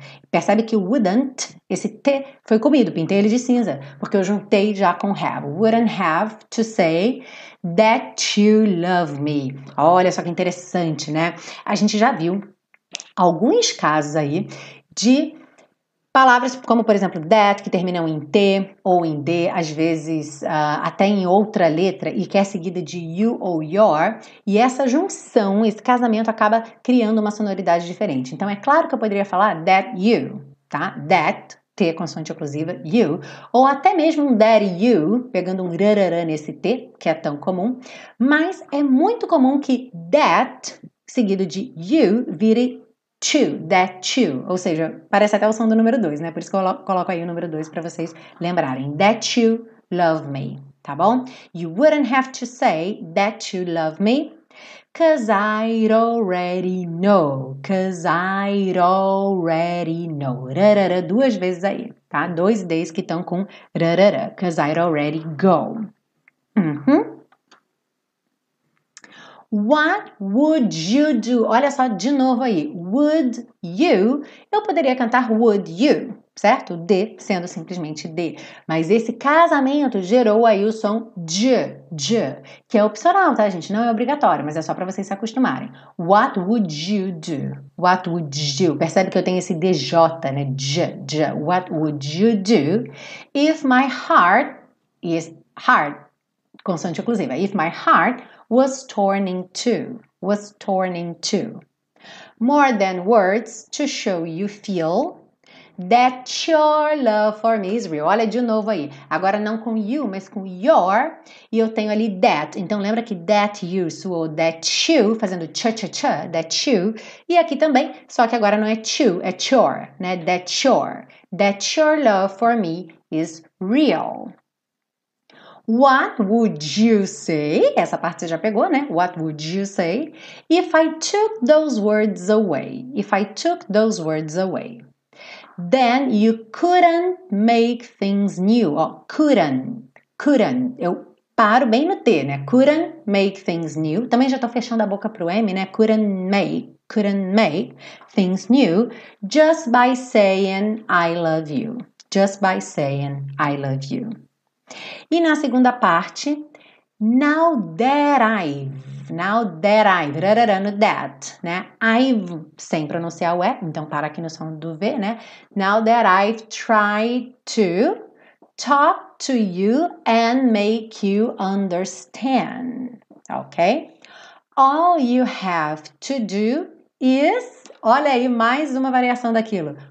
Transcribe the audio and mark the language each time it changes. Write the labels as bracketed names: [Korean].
[Portuguese] Percebe que o wouldn't, esse T, foi comido, pintei ele de cinza, porque eu juntei já com have. [English] Wouldn't have to say that you love me. [Portuguese] Olha só que interessante, né? A gente já viu alguns casos aí de palavras como, por exemplo, that, que terminam em T ou em D, às vezes até em outra letra e que é seguida de you ou your, e essa junção, esse casamento acaba criando uma sonoridade diferente. Então, é claro que eu poderia falar [English] that you, [Portuguese] tá? That, T, consoante oclusiva, you, ou até mesmo um that you, pegando um rararã nesse T, que é tão comum, mas é muito comum que that, seguido de you, vire to, that you, ou seja, parece até o som do número 2, né? Por isso que eu coloco aí o número 2 para vocês lembrarem. [English] That you love me, tá bom? You wouldn't have to say that you love me, cause I already know, cause I already know. [Portuguese] Rarara, duas vezes aí, tá? Dois Ds que estão com rarara, [English] cause I already go. What would you do? [Portuguese] Olha só de novo aí. [English] Would you? [Portuguese] Eu poderia cantar would you, certo? D sendo simplesmente D. Mas esse casamento gerou aí o som j, que é opcional, tá, gente? Não é obrigatório, mas é só para vocês se acostumarem. [English] What would you do? What would you? [Portuguese] Percebe que eu tenho esse DJ, né? J. [English] What would you do if my heart is hard? [Portuguese] Consoante oclusiva. [English] If my heart was torn in two, was torn in two. More than words to show you feel that your love for me is real. [Portuguese] Olha de novo aí. Agora não com you, mas com your. E eu tenho ali that. Então lembra que that you soou that you, fazendo cha-cha-cha, that you. E aqui também, só que agora não é to, é your, né? [English] That your. That your love for me is real. What would you say? [Portuguese] Essa parte você já pegou, né? [English] What would you say if I took those words away? If I took those words away, then you couldn't make things new. [Portuguese] Oh, couldn't. Eu paro bem no T, né? [English] Couldn't make things new. [Portuguese] Também já tô fechando a boca pro M, né? [English] Couldn't make things new just by saying I love you. Just by saying I love you. [Portuguese] E na segunda parte, [English] now that I've, [Portuguese] rarara no that, né? I've, sem pronunciar o E, então para aqui no som do V, né? [English] Now that I've tried to talk to you and make you understand, ok? All you have to do is, [Portuguese] olha aí, mais uma variação daquilo.